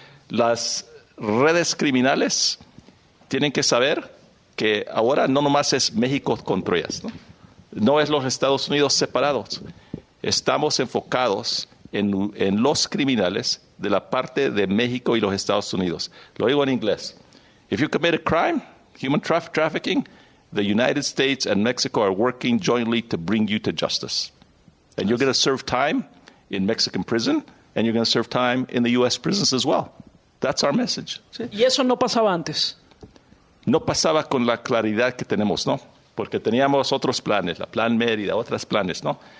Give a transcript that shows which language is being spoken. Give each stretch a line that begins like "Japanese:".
Spanish: Las redes criminales tienen que saber que ahora no nomás es México contra ellas, ¿no? No es los Estados Unidos separados. Estamos enfocados en los criminales de la parte de México y los Estados Unidos. Lo digo en inglés.
English: If you commit a crime, human trafficking, the United States and Mexico are working jointly to bring you to justice. And you're going to serve time in Mexican prison, and you're going to serve time in the U.S. prisons as well. That's our message.
Spanish: ¿Y eso no pasaba antes? No pasaba con la claridad que tenemos, ¿no? Porque teníamos otros planes, la Plan Mérida, otros planes, ¿no?